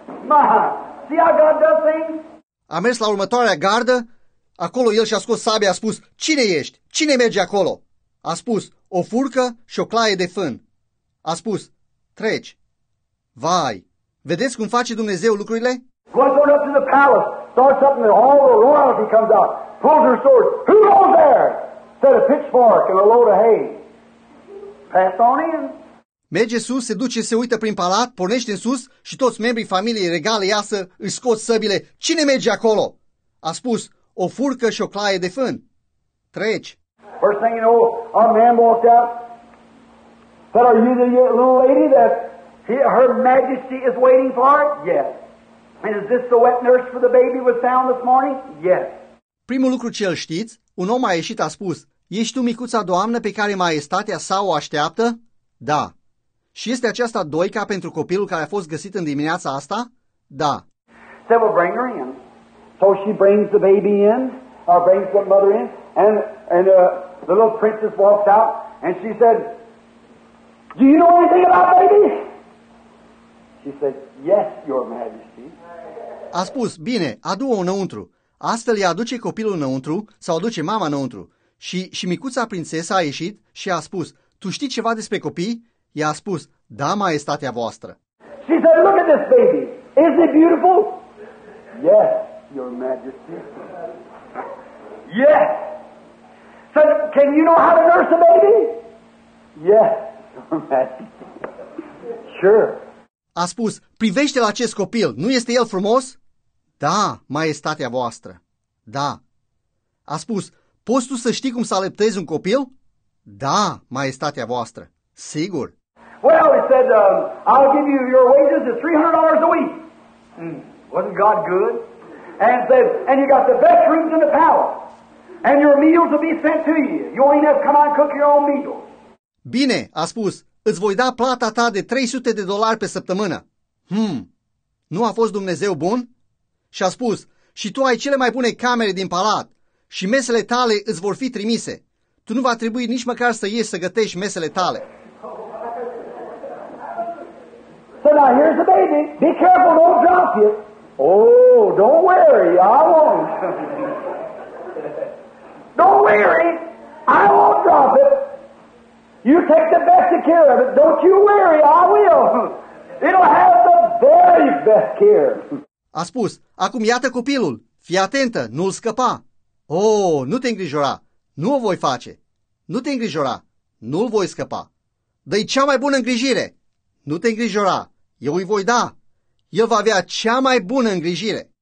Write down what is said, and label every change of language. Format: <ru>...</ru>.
<en>My, see how God does things?</en> <ro>A mers la următoarea gardă. Acolo el și-a scos sabia, a spus, cine ești? Cine merge acolo? A spus, o furcă și o claie de fân. A spus, treci. Vai, vedeți cum face Dumnezeu lucrurile?</ro> <en>One goes up to the palace, starts up and all the royalty comes out, pulls her sword. Who goes there? Set a pitchfork and a load of hay. Pass on in.</en> <ro>Merge sus, se duce, se uită prin palat, pornește în sus și toți membrii familiei regale iasă, își scot săbile. Cine merge acolo? A spus, o furcă și o claie de fân. Treci.</ro> <en>First thing you know, a man walked out. Said, are you the little lady that her majesty is waiting for? Yes. And is this the wet nurse for the baby was found this morning? Yes.</en> <ro>Primul lucru ce îl știți, un om a ieșit, a spus, ești tu micuța doamnă pe care maestatea sa o așteaptă? Da. Și este aceasta doica pentru copilul care a fost găsit în dimineața asta? Da.</ro> <en>So we'll bring her in. So she brings the baby in, or brings the mother in, and the little princess walks out, and she said, do you know anything about babies? She said, yes, your majesty.</en> <ro>A spus, bine, adu-o înăuntru. Astfel ea aduce copilul înăuntru, sau aduce mama înăuntru. Și micuța prințesa a ieșit și a spus, tu știi ceva despre copii? I-a spus, da, maestatea voastră.</ro> <en>She said, look at this baby. Isn't it beautiful? Yes, your majesty. Yes. So, can you know how to nurse a baby? Yes, your majesty. Sure.</en> <ro>A spus, privește la acest copil. Nu este el frumos? Da, maestatea voastră. Da. A spus, poți tu să știi cum să alăptezi un copil? Da, maestatea voastră. Sigur.</ro> <en>Well, he said, I'll give you your wages at $300 a week. Wasn't God good? And said, and you got the best rooms in the palace. And your meals will be sent to you. You won't even have to come out and cook your own meals.</en> <ro>Bine, a spus, îți voi da plata ta de $300 pe săptămână. Nu a fost Dumnezeu bun? Și a spus, și tu ai cele mai bune camere din palat și mesele tale îți vor fi trimise. Tu nu va trebui nici măcar să ieși să gătești mesele tale.</ro> <en>So now here's the baby. Be careful, don't drop it. Oh, don't worry, I won't. Don't worry, I won't drop it. You take the best of care of it. Don't you worry, I will. It'll have the very best care.</en> <ro>A spus, acum iată copilul. Fii atentă, nu-l scăpa. Oh, nu te îngrijora. Nu o voi face. Nu te îngrijora. Nu-l voi scăpa. Dă-i cea mai bună îngrijire. Nu te îngrijora. Eu îi voi da. El va avea cea mai bună îngrijire.</ro>